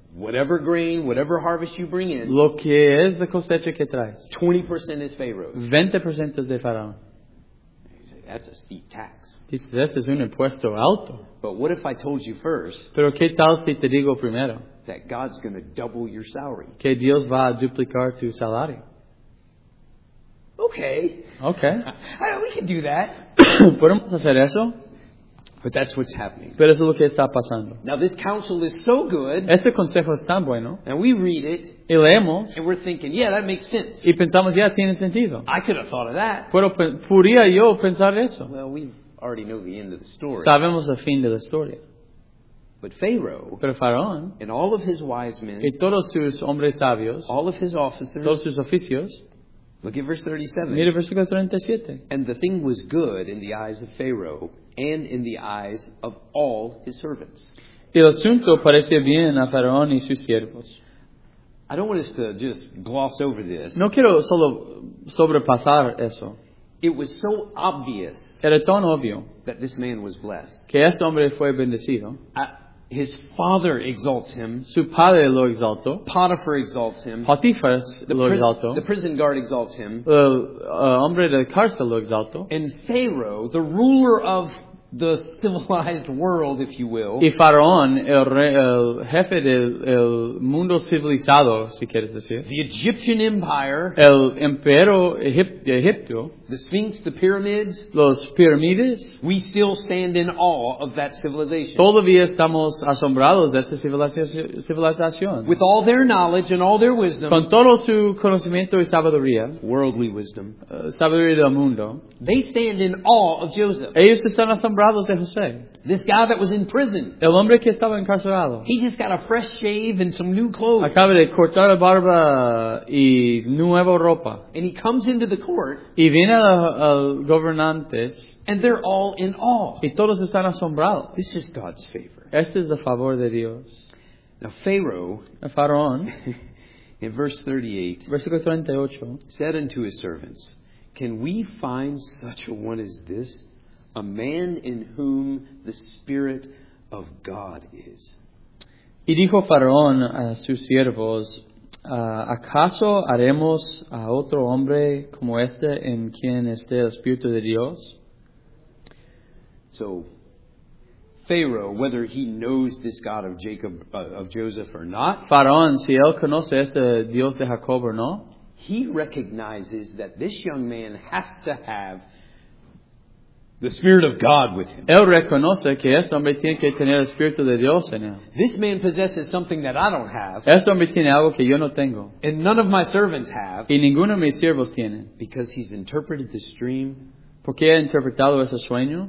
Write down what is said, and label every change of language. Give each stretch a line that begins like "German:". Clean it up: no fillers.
English: Whatever grain, whatever harvest you bring in.
Spanish: Lo que es la cosecha que traes.
English: 20% is Pharaoh's.
Spanish: 20% es de Faraón.
English: That's a steep tax.
Spanish: Dices, ese es un impuesto alto.
English: But what if I told you first?
Spanish: Pero qué tal si te digo primero?
English: That God's going to double your salary.
Spanish: Que Dios va a duplicar tu salario.
English: Okay.
Spanish: Okay.
English: We can do that.
Spanish: ¿Podemos hacer eso?
English: But that's what's happening.
Spanish: Pero eso es lo que está pasando.
English: Now this counsel is so good.
Spanish: Este consejo es tan bueno.
English: And we read it.
Spanish: Y leemos.
English: And we're thinking, yeah, that makes sense.
Spanish: Y pensamos, ya, tiene sentido.
English: I could have thought of that.
Spanish: Podría yo pensar eso.
English: Well, we already know the end of the story.
Spanish: Sabemos el fin de la historia.
English: But Pharaoh,
Spanish: pero Faraón,
English: and all of his wise men,
Spanish: y todos sus hombres sabios,
English: all of his officers,
Spanish: todos sus oficios,
English: look at verse 37.
Spanish: Mira el versículo 37.
English: And the thing was good in the eyes of Pharaoh and in the eyes of all his servants.
Spanish: El asunto parecía bien a Faraón y sus siervos.
English: I don't want us to just gloss over this.
Spanish: No quiero solo sobrepasar eso.
English: It was so obvious.
Spanish: Era tan obvio
English: that this man was blessed.
Spanish: Que este hombre fue bendecido.
English: His father exalts him.
Spanish: Su padre lo exaltó.
English: Potiphar exalts him.
Spanish: Potiphar lo exaltó.
English: The prison guard exalts him.
Spanish: El hombre de cárcel lo exaltó.
English: And Pharaoh, the ruler of the civilized world, if you will.
Spanish: Y Faraón, el jefe del mundo civilizado, si quieres decir.
English: The Egyptian Empire.
Spanish: El Imperio Egipto.
English: The Sphinx, the pyramids.
Spanish: Los pirámides.
English: We still stand in awe of that civilization.
Spanish: Todavía estamos asombrados de esta civilización.
English: With all their knowledge and all their wisdom.
Spanish: Con todo su conocimiento y sabiduría.
English: Worldly wisdom.
Spanish: Sabiduría del mundo.
English: They stand in awe of Joseph.
Spanish: Ellos están asombrados de José.
English: This guy that was in prison.
Spanish: El hombre que estaba encarcelado.
English: He just got a fresh shave and some new clothes.
Spanish: Acaba de cortar la barba y nueva ropa.
English: And he comes into the court.
Spanish: Y viene al gobernantes.
English: And they're all in awe.
Spanish: Y todos están asombrados.
English: This is God's favor.
Spanish: Este es el favor de Dios.
English: Now Pharaoh.
Spanish: El faraón.
English: In verse 38.
Spanish: Versículo 38.
English: Said unto his servants, can we find such a one as this? A man in whom the Spirit of God is.
Spanish: Y dijo Faraón a sus siervos, ¿acaso haremos a otro hombre como este en quien esté el Espíritu de Dios?
English: So, Pharaoh, whether he knows this God of Jacob, of Joseph or not.
Spanish: Faraón, si él conoce este Dios de Jacob o no.
English: He recognizes that this young man has to have the Spirit of God with him.
Spanish: Él reconoce que este hombre tiene que tener el Espíritu de Dios en él.
English: This man possesses something that I don't have.
Spanish: Este hombre tiene algo que yo no tengo.
English: And none of my servants have.
Spanish: Y ninguno de mis siervos tiene.
English: Because he's interpreted this dream.
Spanish: Porque ha interpretado ese sueño.